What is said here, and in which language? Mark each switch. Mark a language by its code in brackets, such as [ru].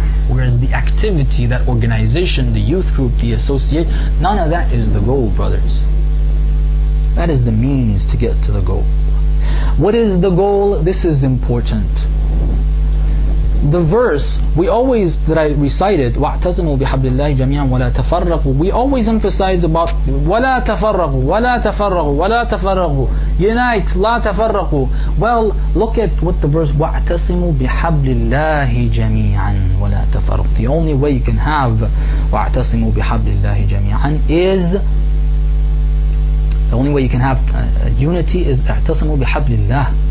[en] Whereas the activity, that organization, the youth group, the associate, none of that is the goal, brothers. That is the means to get to the goal. What is the goal? This is important. The verse we always that I recited, [ar] وَاعْتَصِمُوا بِحَبْلِ اللَّهِ جَمِيعًا وَلَا تَفَرَّقُوا. [en] We always emphasize about [ar] وَلَا تَفَرَّقُوا وَلَا تَفَرَّقُوا وَلَا تَفَرَّقُوا. [en] Unite, [ar] لا تَفَرَّقُوا. [en] Well, look at what the verse, [ar] وَاعْتَصِمُوا بِحَبْلِ اللَّهِ جَمِيعًا وَلَا تَفَرَّقُوا. [en] The only way you can have [ar] وَاعْتَصِمُوا بِحَبْلِ اللَّهِ جَمِيعًا [en] is... The only way you can have unity is [ar] اعتصموا بحبل الله.